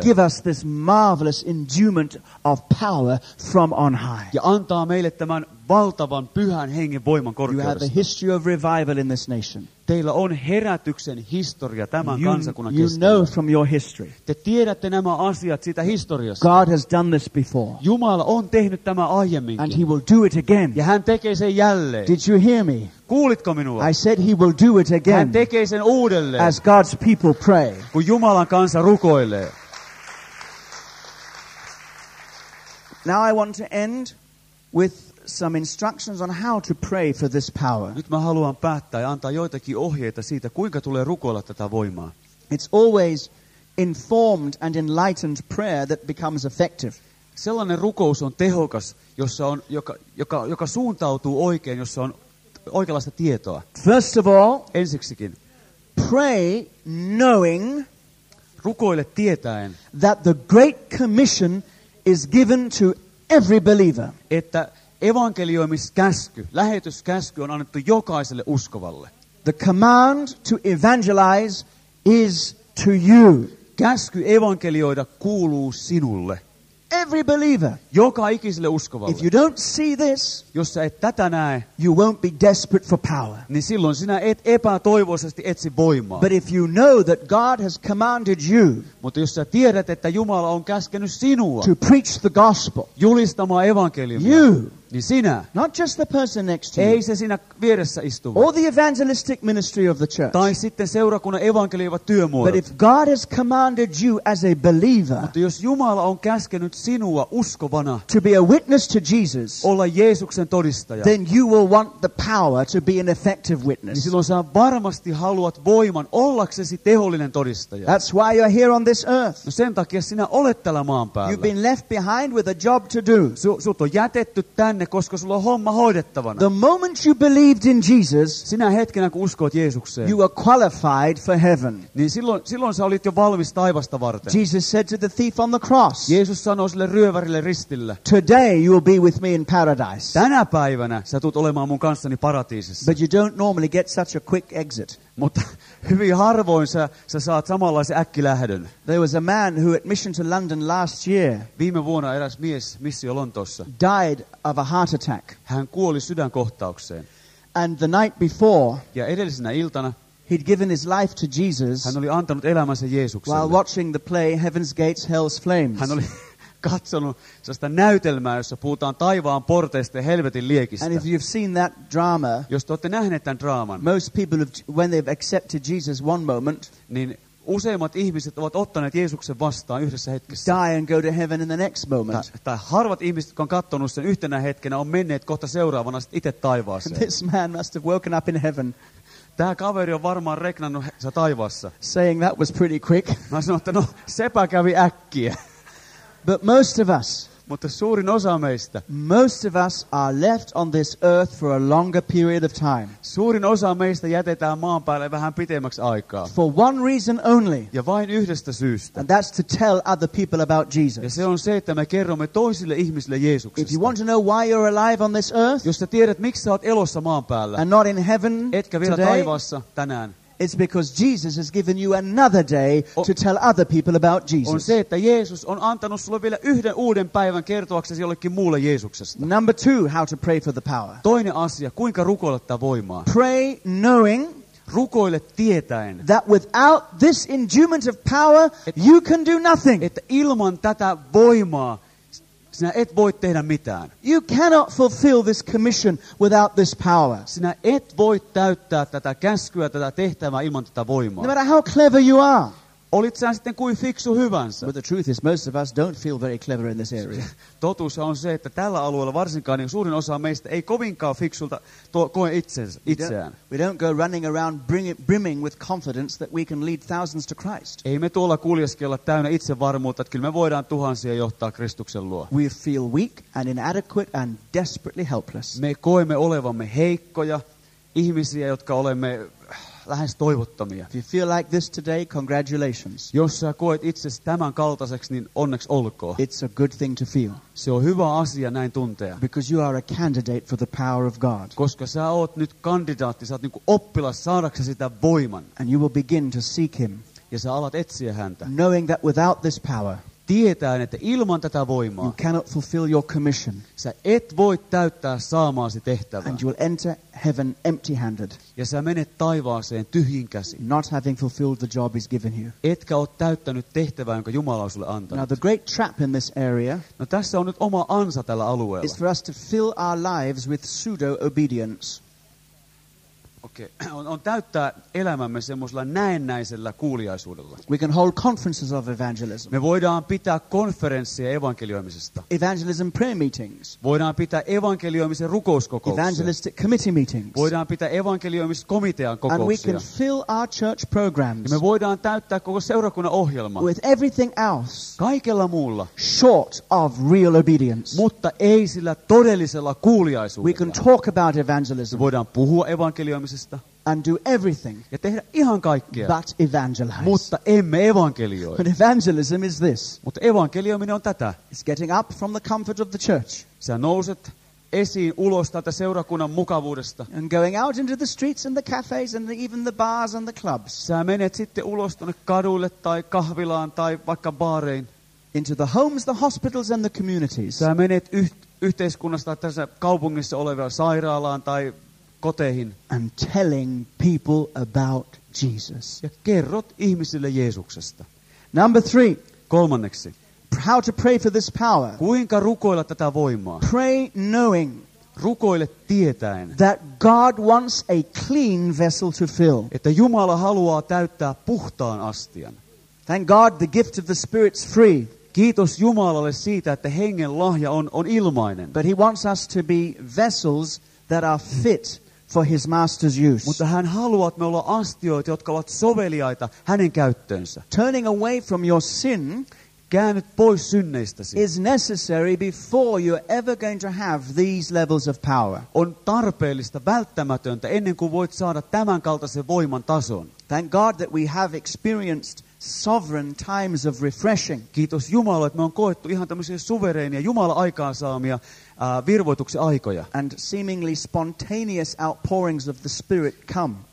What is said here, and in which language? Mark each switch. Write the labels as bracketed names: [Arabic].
[English] and give us this marvelous enduement of power from on high, [Finnish] ja antaa meille tämän valtavan Pyhän Hengen voiman korkeudesta. [English] History of revival in this nation. [Finnish] Teillä on herätyksen historia tämän kansakunnan keskellä. [English] You know from your history. [Finnish] Te tiedätte nämä asiat siitä historiasta. [English] God has done this before. [Finnish] Jumala on tehnyt tämä aiemminkin. [English] And he will do it again. [Finnish] Ja hän tekee sen jälleen. [English] Did you hear me? [Finnish] Kuulitko minua? [English] I said he will do it again. [Finnish] Hän tekee sen uudelleen. [English] As God's people pray. [Finnish] Kun Jumalan kansa rukoilee. [English] Now I want to end with some instructions on how to pray for this power. [Finnish] Nyt mä haluan päättää ja antaa joitakin ohjeita siitä, kuinka tulee rukoilla tätä voimaa. [English] It's always informed and enlightened prayer that becomes effective. [Finnish] Sellainen rukous on tehokas, jossa on joka suuntautuu oikein, jossa on oikeanlaista tietoa. [English] First of all, [Finnish] ensiksikin, [English] pray knowing, [Finnish] rukoile tietäen, [English] that the great commission is given to every believer. [Finnish] Että evankelioimiskäsky, lähetyskäsky on annettu jokaiselle uskovalle. [English] The command to evangelize is to you. [Finnish] Käsky evankelioida kuuluu sinulle. [English] Every believer. [Finnish] Joka ikiselle uskovalle. [English] If you don't see this, [Finnish] jos sä et tätä näe, [English] you won't be desperate for power. [Finnish] Niin silloin sinä et epätoivoisesti etsi voimaa. [English] But if you know that God has commanded you, [Finnish] mutta jos sä tiedät, että Jumala on käskenyt sinua, [English] to preach the gospel, [Finnish] julistamaan evankeliumia, [English] you, [Finnish] niin sinä, [English] not just the person next to you, [Finnish] ei se sinä vieressä istuva, [English] or the evangelistic ministry of the church, [Finnish] tai sitten seurakunnan evankelioivat työmuodot, [English] but if God has commanded you as a believer, [Finnish] mutta jos Jumala on käskenyt sinua uskovana, [English] to be a witness to Jesus, [Finnish] olla Jeesuksen todistaja, [English] then you will want the power to be an effective witness. [Finnish] Niin silloin sä varmasti haluat voiman ollaksesi tehollinen todistaja. [English] That's why you're here on this earth. [Finnish] No sen takia sinä olet täällä maan päällä. [English] You've been left behind with a job to do. [Finnish] Sut on jätetty tänne, koska sulla on homma hoidettavana. [English] The moment you believed in Jesus, [Finnish] sinä hetkenä kun uskoit Jeesukseen, [English] you were qualified for heaven. [Finnish] Niin silloin sä olit jo valmis taivasta varten. [English] Jesus said to the thief on the cross, [Finnish] Jeesus sanoi sille ryövärille ristillä, [English] today you will be with me in paradise. [Finnish] Tänä päivänä sä tulet olemaan mun kanssani paratiisissa. [English] But you don't normally get such a quick exit. [Finnish] Mutta hyvin harvoin sä saat samanlaisen äkkilähdön. [English] There was a man who at mission to London last year, [Finnish] viime vuonna eräs mies missio Lontoossa, [English] died of a heart attack. [Finnish] Hän kuoli sydänkohtaukseen. [English] And the night before, [Finnish] ja edellisenä iltana, [English] he'd given his life to Jesus, [Finnish] hän oli antanut elämänsä Jeesukselle, [English] while watching the play Heaven's Gates, Hell's Flames. [Finnish] Hän oli katsonut sellaista näytelmää, jossa puhutaan taivaan porteista ja helvetin liekistä. [English] And if you've seen that drama, [Finnish] jos te olette nähneet tämän draaman, [English] most people have, when they've accepted Jesus one moment, [Finnish] niin useimmat ihmiset ovat ottaneet Jeesuksen vastaan yhdessä hetkessä. [English] Die and go to heaven in the next moment. [Finnish] Tai harvat ihmiset, jotka on katsonut sen yhtenä hetkenä, on menneet kohta seuraavana sitten itse taivaaseen. [English] This man must have woken up in heaven. [Finnish] Tämä kaveri on varmaan reknannut se taivaassa. [English] Saying that was pretty quick. [Finnish] Mä sanoin, että no, sepä kävi äkkiä. [English] But most of us, [Finnish] mutta suurin osa meistä, [English] most of us are left on this earth for a longer period of time. [Finnish] Suurin osa meistä jätetään maan päälle vähän pitemmäksi aikaa. [English] For one reason only. [Finnish] Ja vain yhdestä syystä. [English] And that's to tell other people about Jesus. [Finnish] Ja se on se, että me kerromme toisille ihmisille Jeesuksesta. [English] If you want to know why you're alive on this earth, [Finnish] jos sä tiedät, miksi sä oot elossa maan päällä, [English] and not in heaven, [Finnish] etkä vielä [English] today, [Finnish] taivaassa tänään, [English] it's because Jesus has given you another day to tell other people about Jesus. [Finnish] On se, että Jeesus on antanut sulle vielä yhden uuden päivän kertoaksesi jollekin muulle Jeesuksesta. [English] Number two, how to pray for the power. [Finnish] Toinen asia, kuinka rukoilla tätä voimaa. [English] Pray knowing, [Finnish] rukoile tietäen, [English] that without this enduement of power, you can do nothing. [Finnish] Että ilman tätä voimaa sinä et voi tehdä mitään. [English] You cannot fulfill this commission without this power. [Finnish] Sinä et voi täyttää tätä käskyä, tätä tehtävää ilman tätä voimaa. [English] No matter how clever you are, [Finnish] Olit sä sitten kuin fiksu hyvänsä. [English] But the truth is most of us don't feel very clever in this area. [Finnish] Totuus on se, että tällä alueella varsinkaan niin suurin osa meistä ei kovinkaan fiksulta koe itseään. [English] We don't go running around brimming with confidence that we can lead thousands to Christ. [Finnish] Ei me tuolla kuljeskella täynnä itsevarmuutta, että kyllä me voidaan tuhansia johtaa Kristuksen luo. [English] We feel weak and inadequate and desperately helpless. [Finnish] Me koemme olevamme heikkoja ihmisiä, jotka olemme lähes toivottomia. [English] If you feel like this today, congratulations. [Finnish] Jos sä koet itsesi tämän kaltaiseksi, niin onneksi olkoon. [English] It's a good thing to feel. [Finnish] Se on hyvä asia näin tuntea. [English] Because you are a candidate for the power of God. [Finnish] Koska sä oot nyt kandidaatti, sä oot niin kuin oppilas saadaksesi sitä voiman. [English] And you will begin to seek him. [Finnish] Ja sä alat etsiä häntä. [English] Knowing that without this power, [Finnish] tietäen, että ilman tätä voimaa, [English] you cannot fulfill your commission. [Finnish] Sä et voi täyttää saamaasi tehtävää. [English] And you will enter heaven empty-handed. [Finnish] Ja sä menet taivaaseen tyhjin käsin. [English] Not having fulfilled the job he's given you. [Finnish] Etkä ole täyttänyt tehtävää, jonka Jumala on sulle antanut. [English] Now the great trap in this area. [Finnish] No tässä on nyt oma ansa tällä alueella. [English] Is for us to fill our lives with pseudo-obedience. Okay. [Finnish] On täyttää elämämme semmoisella näennäisellä kuuliaisuudella. [English] We can hold conferences of evangelism. [Finnish] Me voidaan pitää konferensseja evankelioimisesta. [English] Evangelism prayer meetings. [Finnish] Voidaan pitää evankelioimisen rukouskokouksia. [English] Evangelistic committee meetings. [Finnish] Voidaan pitää evankelioimisen komitean kokouksia. [English] And we can fill our church programs. [Finnish] Me voidaan täyttää koko seurakunnan ohjelma. [English] With everything else. [Finnish] Kaikella muulla. [English] Short of real obedience. [Finnish] Mutta ei sillä todellisella kuuliaisuudella. [English] We can talk about evangelism. [Finnish] Me voidaan puhua evankelioimisesta. [English] And do everything. [Finnish] Ja tehdä ihan kaikkea. [English] But evangelize. [Finnish] Mutta emme evankelioi. [English] But evangelism is this. [Finnish] Mutta evankelioiminen on tätä. [English] It's getting up from the comfort of the church. [Finnish] Sä nouset esiin ulos tätä seurakunnan mukavuudesta. [English] And going out into the streets and the cafes and even the bars and the clubs. [Finnish] Sä menet sitten ulos tuonne kaduille tai kahvilaan tai vaikka baareihin. [English] Into the homes, the hospitals and the communities. [Finnish] Sä menet yhteiskunnasta tässä kaupungissa olevaan sairaalaan tai koteihin. [English] And telling people about Jesus. [Finnish] Ja kerrot ihmisille Jeesuksesta. [English] Number three. [Finnish] Kolmanneksi. [English] How to pray for this power. [Finnish] Kuinka rukoilla tätä voimaa. [English] Pray knowing. [Finnish] Rukoile tietäen. [English] That God wants a clean vessel to fill. [Finnish] Että Jumala haluaa täyttää puhtaan astian. [English] Thank God the gift of the Spirit's free. [Finnish] Kiitos Jumalalle siitä, että hengen lahja on ilmainen. [English] But he wants us to be vessels that are fit for his master's use. [Finnish] Mutta hän haluaa, että me ollaan astioita, jotka ovat soveliaita hänen käyttöönsä. [English] Turning away from your sin, [Finnish] käännyt pois synneistäsi, [English] is necessary before you're ever going to have these levels of power. [Finnish] On tarpeellista, välttämätöntä, ennen kuin voit saada tämän kaltaisen voiman tason. [English] Thank God that we have experienced sovereign times of refreshing. [Finnish] Kiitos Jumala, että me on koettu ihan tämmöisiä suvereenia Jumala aikaansaamia virvoituksen aikoja. [English] And seemingly spontaneous outpourings of the Spirit come.